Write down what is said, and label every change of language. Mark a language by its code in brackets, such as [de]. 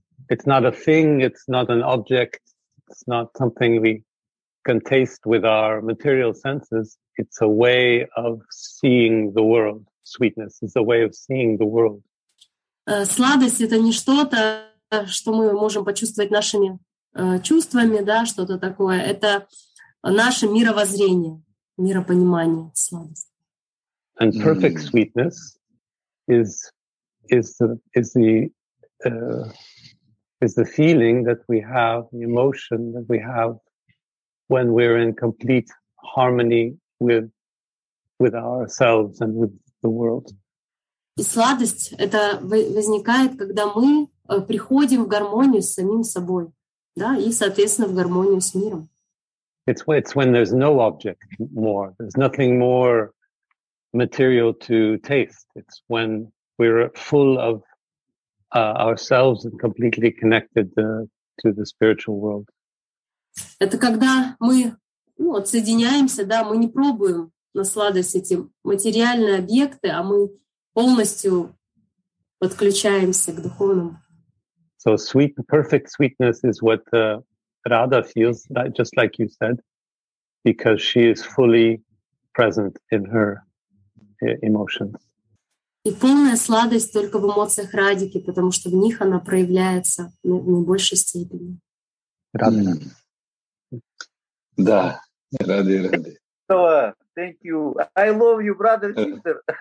[en] It's not a thing, it's not an object, it's not something we can taste with our material senses. It's a way of seeing the world. Sweetness is a way of seeing the world. [ru] Сладость это не что-то, что мы можем почувствовать нашими чувствами, да, что-то такое. Это наше мировоззрение, миропонимание, сладость. [en] And perfect sweetness is the feeling that we have, the emotion that we have when we're in complete harmony with ourselves and with the world. [ru] И сладость это возникает, когда мы приходим в гармонию с самим собой, да, и соответственно в гармонию с миром. [en] It's when there's no object more. There's nothing more material to taste. It's when we're full of ourselves and completely connected to the spiritual world. [ru] Это когда мы, ну, отсоединяемся, да, мы не пробуем на сладость эти материальные объекты, а мы полностью подключаемся к духовному. [en] So sweet, perfect sweetness is what Radha feels, just like you said. Because she is fully present in her emotions. [ru] И полная сладость только в эмоциях Радики, потому что в них она проявляется в наибольшей степени. Рады. Да, рады, рады. [en] Thank you. I love you, brother, sister.